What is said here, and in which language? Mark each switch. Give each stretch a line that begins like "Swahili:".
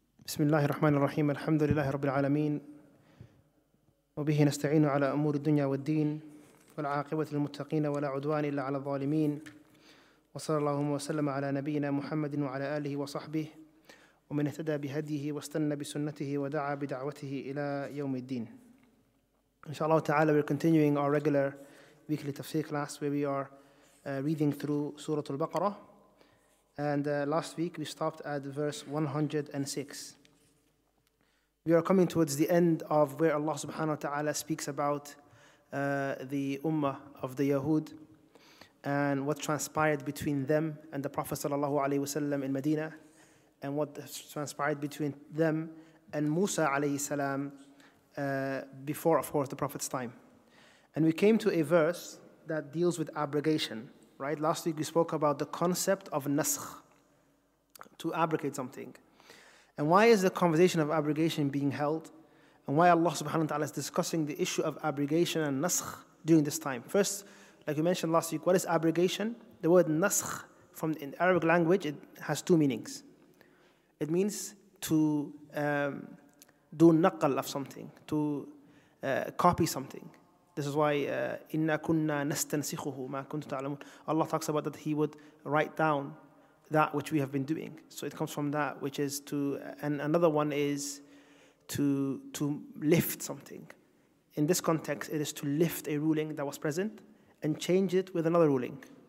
Arabic: بسم الله الرحمن الرحيم الحمد لله رب العالمين وبه نستعين على أمور الدنيا والدين والعاقبة للمتقين ولا عدوان إلا على الظالمين وصلى الله وسلم على نبينا محمد وعلى آله وصحبه ومن اهتدى بهديه واستنى بسنته ودعا بدعوته إلى يوم الدين إن شاء الله تعالى
English: we're continuing our regular weekly tafsir class where we are reading through
Arabic: سورة البقرة.
English: And last week we stopped at verse 106. We are coming towards the end of where Allah subhanahu wa ta'ala speaks about the ummah of the Yahud and what transpired between them and the Prophet sallallahu alayhi wasallam in Medina and what transpired between them and Musa alayhi salam before, of course, the Prophet's time. And we came to a verse that deals with abrogation. Right, last week we spoke about the concept of naskh, to abrogate something. And why is the conversation of abrogation being held? And why Allah subhanahu wa ta'ala is discussing the issue of abrogation and naskh during this time? First, like we mentioned last week, what is abrogation? The word naskh, from in Arabic language, it has two meanings. It means to do naqal of something, to copy something. This is why
Arabic: إِنَّا كُنَّا نَسْتَنْسِخُهُ مَا كُنْتُ تَعْلَمُونَ.
English: Allah talks about that He would write down that which we have been doing. So it comes from that, which is to, and another one is to lift something. In this context, it is to lift a ruling that was present and change it with another ruling.